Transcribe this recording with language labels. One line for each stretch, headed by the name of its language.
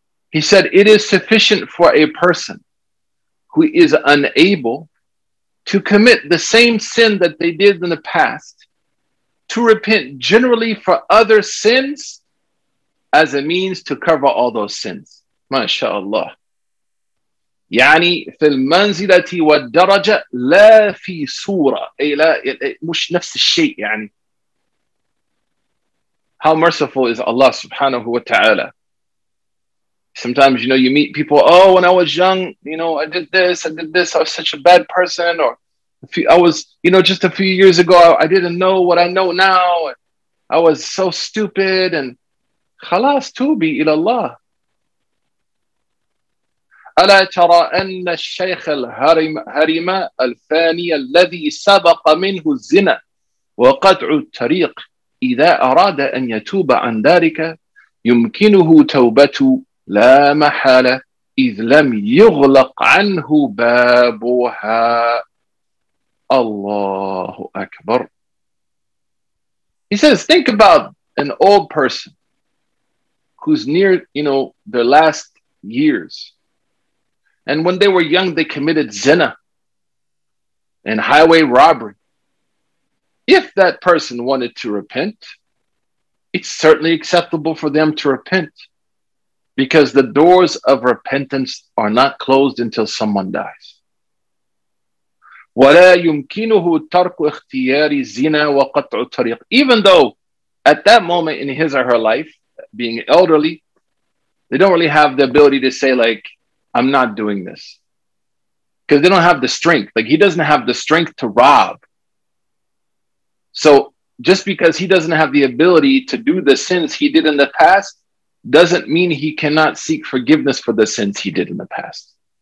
English: He said, it is sufficient for a person who is unable to commit the same sin that they did in the past to repent generally for other sins as a means to cover all those sins. MashaAllah.
Arabic: يعني في المنزلة والدرجة لا في سورة. أي لا مش نفس الشيء يعني.
English: How merciful is Allah subhanahu wa ta'ala. Sometimes, you know, you meet people, oh, when I was young, you know, I did this, I was such a bad person, or just a few years ago, I didn't know what I know now, I was so stupid, and
Arabic: خلاص توبي إلى الله. ألا ترى أن الشيخ الهرم الفاني الذي سبق منه الزنا وقطع الطريق إذا أراد أن يتوب عن ذلك يمكنه توبة لا محالة إذ لم يغلق عنه بابها. الله أكبر.
English: He says, think about an old person who's near, you know, their last years. And when they were young, they committed zina and highway robbery. If that person wanted to repent, it's certainly acceptable for them to repent, because the doors of repentance are not closed until someone dies.
Arabic: ولا يمكنه ترك اختيار الزنا وقطع الطريق.
English: Even though at that moment in his or her life, being elderly, they don't really have the ability to say like, I'm not doing this. Because they don't have the strength. Like, he doesn't have the strength to rob. So just because he doesn't have the ability to do the sins he did in the past, doesn't mean he cannot seek forgiveness for the sins he did in the past.